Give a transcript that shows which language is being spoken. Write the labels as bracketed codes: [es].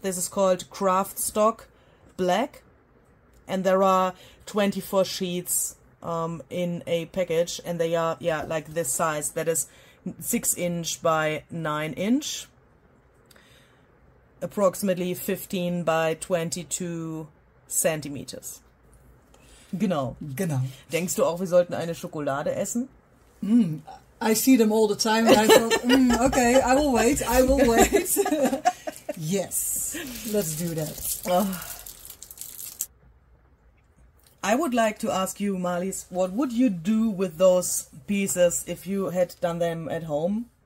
[en] This is called Craft Stock Black. And there are 24 sheets in a package, and they are, yeah, like this size. That is 6 inch by 9 inch, approximately 15 by 22 centimeters. [de] Genau. Genau. Denkst du auch, wir sollten eine Schokolade essen? [en] Mm, I see them all the time, and I thought, okay, I will wait, I will wait. Yes, let's do that. I would like to ask you, Marlies, what would you do with those pieces if you had done them at home?